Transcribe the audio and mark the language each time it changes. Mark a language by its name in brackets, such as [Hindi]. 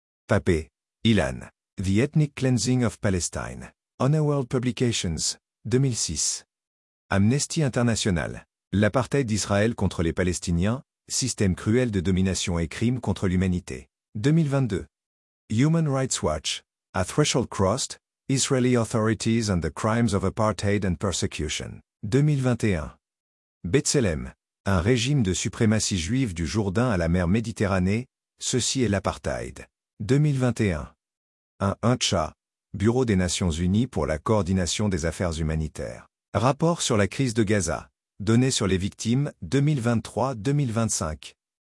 [English] Papé, Ilan. The Ethnic Cleansing of Palestine. Honor World Publications, 2006. Amnesty International. [French] L'apartheid d'Israël contre les Palestiniens, système cruel de domination et crimes contre l'humanité. [English] 2022. Human Rights Watch. A Threshold Crossed, Israeli Authorities and the Crimes of Apartheid and Persecution. 2021. B'Tselem. [French] Un régime de suprématie juive du Jourdain à la mer Méditerranée, ceci est l'apartheid. 2021. Un Huncha. Bureau des Nations Unies pour la coordination des affaires humanitaires. Rapport sur la crise de Gaza. Données sur les victimes, 2023-2025.